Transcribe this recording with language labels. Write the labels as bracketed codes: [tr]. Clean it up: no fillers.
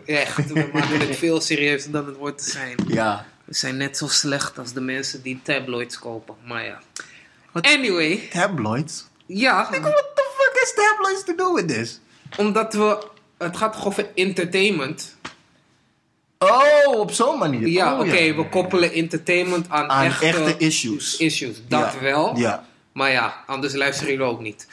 [nl] Echt, we maken het veel serieuzer dan het wordt te zijn. Ja. We zijn net zo slecht als de mensen die tabloids kopen, maar ja. [en] What? Anyway. Tabloids? [nl] Ja. [en] What the fuck is tabloids to do with this? [nl] Omdat we... Het gaat toch over entertainment? Oh, op zo'n manier. Ja, oh, oké. We koppelen entertainment aan echte issues. Issues, dat ja. wel. Ja. Maar ja, anders luisteren jullie ook niet.